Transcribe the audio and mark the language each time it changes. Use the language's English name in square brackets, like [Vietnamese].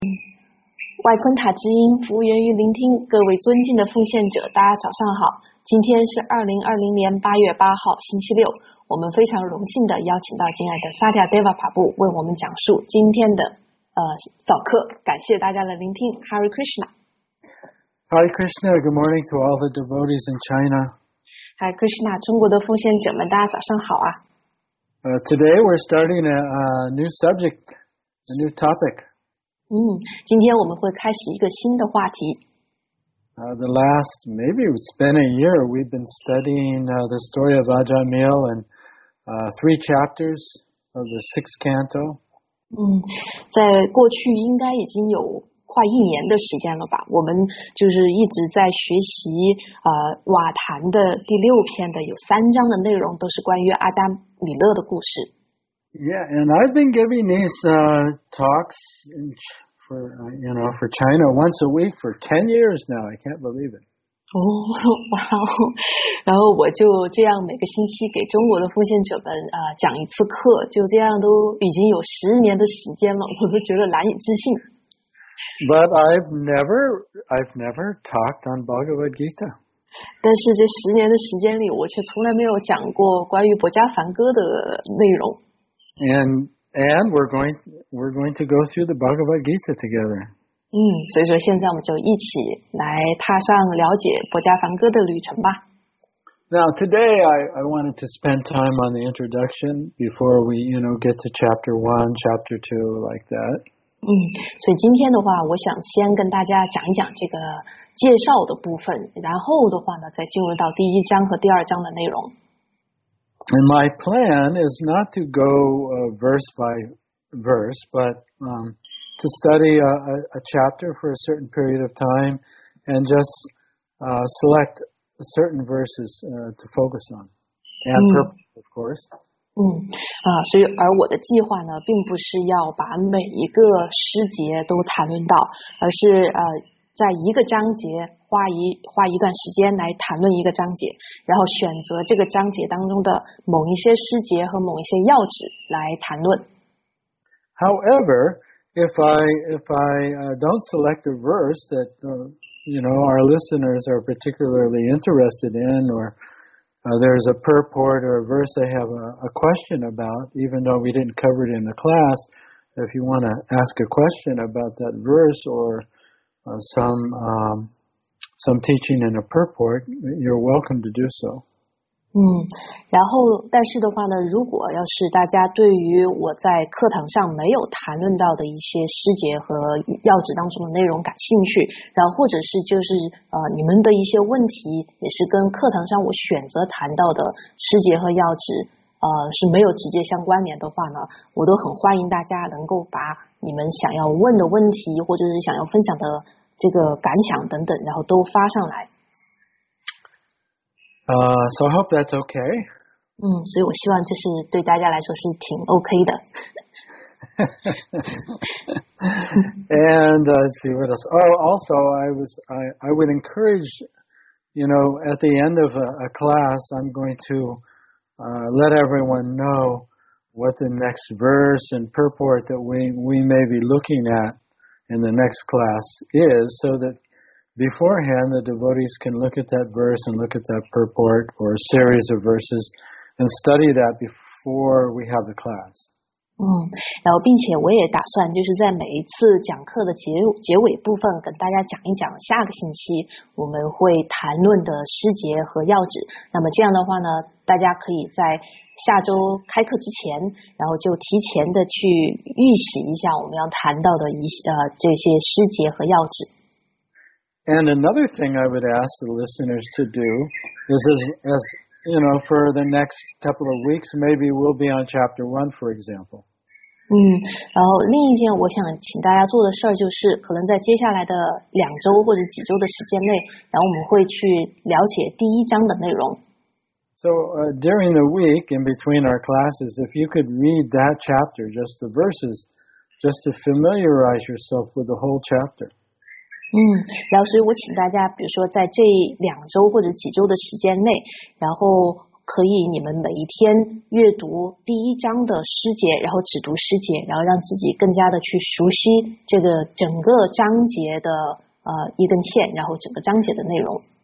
[Chinese] 外昆塔之音，服务源于聆听。各位尊敬的奉献者，大家早上好。今天是2020年8月8号，星期六。我们非常荣幸的邀请到敬爱的萨迪亚德瓦帕布为我们讲述今天的早课。感谢大家的聆听。Hare Krishna。 [English] Hare Krishna. Good morning to all the devotees in China. Hare Krishna. [Chinese] 中国的奉献者们，大家早上好啊。 [English] Today we're starting a new subject, a new topic. [Chinese] 今天我们会开始一个新的话题。 [English] The last, maybe it's been a year, we've been studying the story of Ajamil and three chapters of the sixth canto. [Chinese] 在过去应该已经有快一年的时间了吧，我们就是一直在学习瓦坛的第六篇的有三章的内容都是关于阿加米勒的故事。 [English] Yeah, and I've been giving these talks for, you know, for China once a week for 10 years now. I can't believe it. Oh, wow. [Chinese] 然后我就这样每个星期给中国的奉献者们讲一次课，就这样都已经有十年的时间了，我都觉得难以置信。 [English] But I've never talked on Bhagavad Gita. [Chinese] 但是这十年的时间里，我却从来没有讲过关于博迦梵歌的内容。 [English] And we're going to go through the Bhagavad Gita together. [Chinese] 所以说现在我们就一起来踏上了解博迦梵歌的旅程吧。 [English] Now today I wanted to spend time on the introduction before we, you know, get to chapter one, chapter two, like that. [Chinese] 所以今天的话，我想先跟大家讲一讲这个介绍的部分，然后的话呢，再进入到第一章和第二章的内容。 [English] And my plan is not to go verse by verse, but to study a chapter for a certain period of time and just select certain verses to focus on. And purpose, of course. [Chinese] 所以而我的计划呢并不是要把每一个诗节都谈论到，而是在一个章节花一段时间来谈论一个章节，然后选择这个章节当中的某一些诗节和某一些要旨来谈论。 [English] However, if I don't select a verse that you know our listeners are particularly interested in, or there's a purport or a verse they have a question about, even though we didn't cover it in the class, if you want to ask a question about that verse orsome teaching in a purport, you're welcome to do so. [Chinese] 然后但是的话呢，如果要是大家对于我在课堂上没有谈论到的一些诗节和要旨当中的内容感兴趣，然后或者是就是你们的一些问题也是跟课堂上我选择谈到的诗节和要旨是没有直接相关联的话呢，我都很欢迎大家能够把你们想要问的问题或者是想要分享的这个感想等等然后都发上来。 [English] So I hope that's okay. [Chinese] 所以我希望这是对大家来说是挺 OK 的。 [English] And let's see what else. Oh, also I would encourage, you know, at the end of a class, I'm going to let everyone know what the next verse and purport that we may be looking at in the next class is, so that beforehand the devotees can look at that verse and look at that purport or a series of verses and study that before we have the class. [Chinese] 然后并且我也打算就是在每一次讲课的结尾部分跟大家讲一讲下个星期我们会谈论的诗节和要旨，那么这样的话呢大家可以在下周开课之前然后就提前的去预习一下我们要谈到的这些诗节和要旨。 [English] And another thing I would ask the listeners to do is as you know, for the next couple of weeks, maybe we'll be on chapter one, for example. [Chinese] 然后另一件我想请大家做的事儿就是可能在接下来的两周或者几周的时间内然后我们会去了解第一章的内容。 [English] So during the week in between our classes, if you could read that chapter, just the verses, just to familiarize yourself with the whole chapter. [Chinese] 然后所以我请大家比如说在这两周或者几周的时间内然后可以你们每一天阅读第一章的诗节，然后只读诗节，然后让自己更加的去熟悉这个整个章节的一根线，然后整个章节的内容。